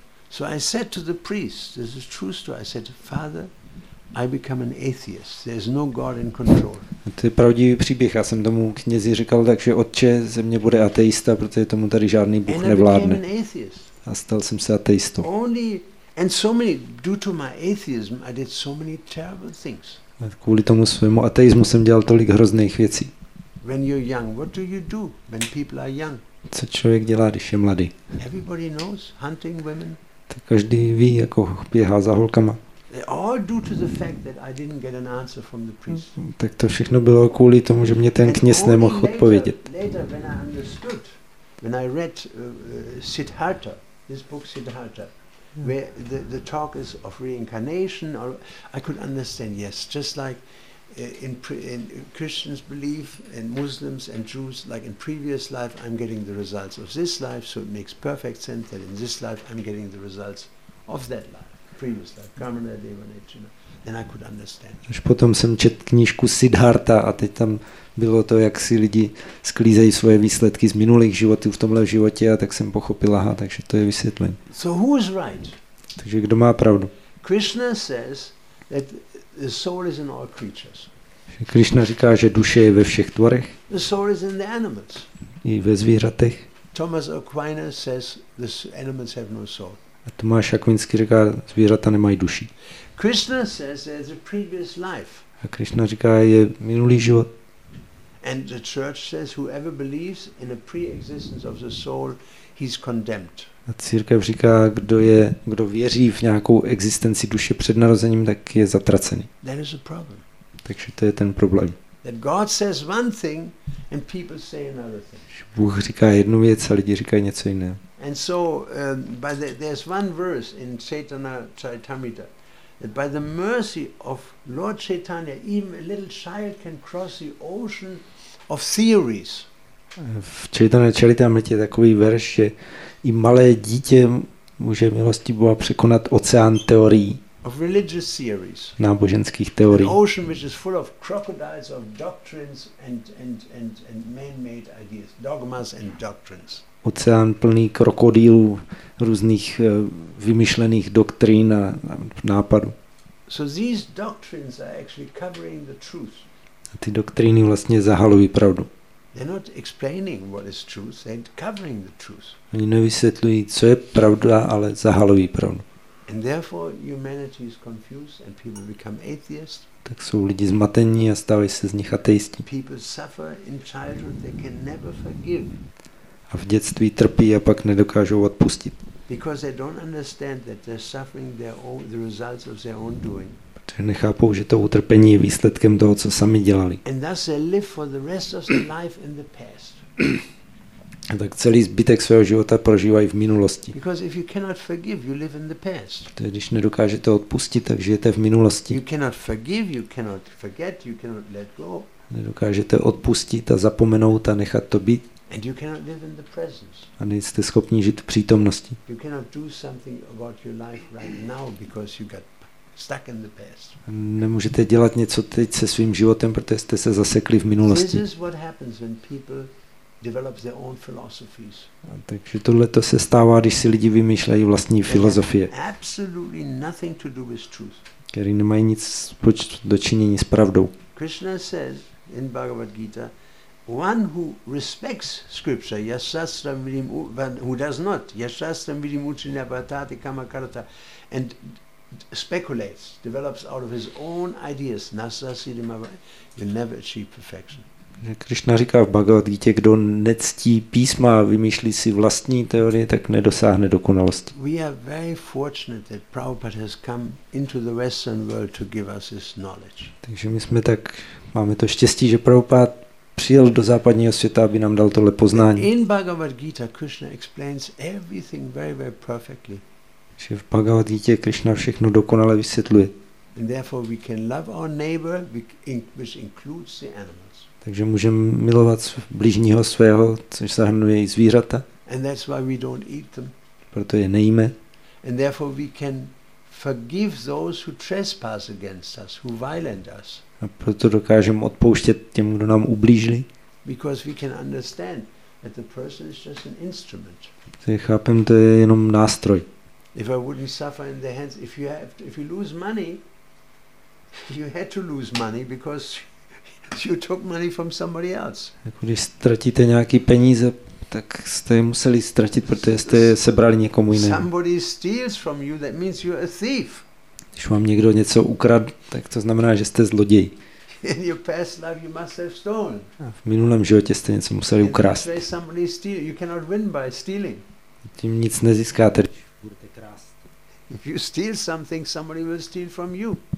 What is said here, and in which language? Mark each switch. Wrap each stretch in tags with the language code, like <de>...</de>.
<en>So I said to the priest, this is true story. I said, Father, I become an atheist. There's no God in control.</en> <cs>To je pravdivý příběh. Já jsem tomu knězi říkal, takže otče, ze mě bude ateista, protože tomu tady žádný Bůh nevládne. A stal jsem se ateistou.</cs> <en>And so many due to my atheism I did so many terrible things.</en> <cs>Kvůli tomu svému ateismu jsem dělal tolik hrozných věcí.</cs> <en>When you're young, what do you do when people are young?</en> <cs>Co člověk dělá, když je mladý?</cs> <en>Everybody knows hunting women.</en> <cs>Tak každý ví, jako běhá za holkama.</cs> <en>All due to the fact that I didn't get an answer from the priest.</en> <cs>Tak to všechno bylo kvůli tomu, že mě ten kněz nemohl odpovědět.</cs> <en>Later, when I understood, when I read Siddhartha, this book Siddhartha, where the talk is of reincarnation, or I could understand, yes, just like in Christians believe, and Muslims and Jews, like in previous life, I'm getting the results of this life, so it makes perfect sense that in this life, I'm getting the results of that life, previous life, karma, deva, nature, then I could understand.</en> <cs>Až potom jsem četl knížku Siddhartha a teď tam bylo to, jak si lidi sklízejí svoje výsledky z minulých životů v tomhle životě a tak jsem pochopil, aha, takže to je vysvětlení.</cs> <en>So who is right?</en> <cs>Takže kdo má pravdu?</cs> <en>Krishna says that the soul is in all creatures.</en> <cs>Krishna říká, že duše je ve všech tvorech.</cs> <en>The soul is in the animals.</en> <cs>I ve zvířatech.</cs> <en>Thomas Aquinas says the animals have no soul.</en> <cs>A Tomáš Akvinský říká, zvířata nemají duši.</cs> <en>Krishna says there's a previous life.</en> <cs>A Krishna říká, je minulý život.</cs> <en>And the church says whoever believes in a pre-existence of the soul, he's condemned.</en> <cs>A církev říká, kdo věří v nějakou existenci duše před narozením, tak je zatracený.</cs> <en>There is a problem.</en> <cs>Takže to je ten problém.</cs> <en>That God says one thing and people say another thing.</en> <cs>Bůh říká jednu věc a lidi říkají něco jiného.</cs> <en>And so by the, there's one verse in Chaitanya Charitamrita that by the mercy of Lord Chaitanya even a little child can cross the ocean of theories.</en> <cs>V Chaitanya Charitamritě je takový verš, že i malé dítě může milostí Boha překonat oceán teorií.</cs> <en>Of religious theories.</en> <cs>Náboženských teorií.</cs> <en>An ocean which is full of crocodiles of doctrines and man-made ideas, dogmas and doctrines.</en> <cs>Oceán plný krokodýlů různých vymyšlených doktrín a nápadů.</cs> <en>So these doctrines are actually covering the truth.</en> <cs>A ty doktríny vlastně zahalují pravdu.</cs> <en>They're not explaining what is truth, they're covering the truth.</en> <cs>Oni nevysvětlují, co je pravda, ale zahalují pravdu.</cs> <en>And therefore humanity is confused and people become atheists.</en> <cs>Tak jsou lidi zmatení a stávají se z nich ateisti.</cs> <en>People suffer in childhood, they can never forgive.</en> <cs>A v dětství trpí a pak nedokážou odpustit.</cs> <en>Because they don't understand that they're suffering their own, the results of their own doing.</en> <cs>Protože nechápou, že to utrpení je výsledkem toho, co sami dělali.</cs> <en>And thus they live for the rest of their life in the past.</en> <cs>A tak celý zbytek svého života prožívají v minulosti.</cs> <en>Because if you cannot forgive, you live in the past.</en> <cs>Protože když nedokážete odpustit, tak žijete v minulosti.</cs> <en>You cannot forgive, you cannot forget, you cannot let go.</en> <cs>Nedokážete odpustit a zapomenout a nechat to být.</cs> <en>And you cannot live in the presence.</en> <cs>A nejste schopni žít v přítomnosti.</cs> <en>You cannot do something about your life right now because you got stuck in the past.</en> <cs>Nemůžete dělat něco teď se svým životem, protože jste se zasekli v minulosti.</cs> <en>This is what happens when people develop their own philosophies.</en> <cs>A takže tohle to se stává, když si lidi vymýšlejí vlastní filozofie.</cs> <en>Absolutely nothing to do with truth.</en> <cs>Který nemají nic dočinění s pravdou.</cs> <en>Krishna says in Bhagavad Gita, one who respects scripture,</en> <sa>yashastram vidim,</sa> <en>who does not,</en> <sa>yashastram vidim uchina bhatati kamakarta,</sa> <en>and speculates, develops out of his own ideas,</en> <sa>nasasidim,</sa> <en>will never achieve perfection.</en> <cs>Krishna říká v Bhagavad Gita, kdo nectí písma a vymýšlí si vlastní teorie, tak nedosáhne dokonalosti.</cs> <en>We are very fortunate that Prabhupada has come into the Western world to give us this knowledge.</en> <cs>Takže my jsme tak, máme to štěstí, že Prabhupada přijel do západního světa, aby nám dal tohle poznání.</cs> <en>In Bhagavad Gita Krishna explains everything very very perfectly.</en> <cs>Že v Bhagavad Gita Krishna všechno dokonale vysvětluje.</cs> <en>And therefore we can love our neighbor, which includes the animals.</en> <cs>Takže můžeme milovat bližního svého, což zahrnuje i zvířata.</cs> <en>And that's why we don't eat them.</en> <cs>Proto je nejíme.</cs> <en>And therefore we can forgive those who trespass against us, who violate us.</en> <cs>A proto dokážeme odpouštět těm, kdo nám ublížili.</cs> <en>Because we can understand that the person is just an instrument.</en> <cs>Chápem, to je jenom nástroj.</cs> <en>If I wouldn't suffer in the hands, if you lose money, you had to lose money because you took money from somebody else.</en> <cs>Když ztratíte nějaký peníze, tak jste je museli ztratit, protože jste je sebrali někomu jinému.</cs> <en>Somebody steals from you, that means you're a thief.</en> <cs>Když vám někdo něco ukrad, tak to znamená, že jste zloděj.</cs> <en>In your past life you must have stolen.</en> <cs>V minulém životě jste něco museli ukrást.</cs> <en>And somebody steals, you cannot win by stealing.</en> <cs>Tím nic nezískáte.</cs> <en>If you steal something, somebody will steal from you.</en>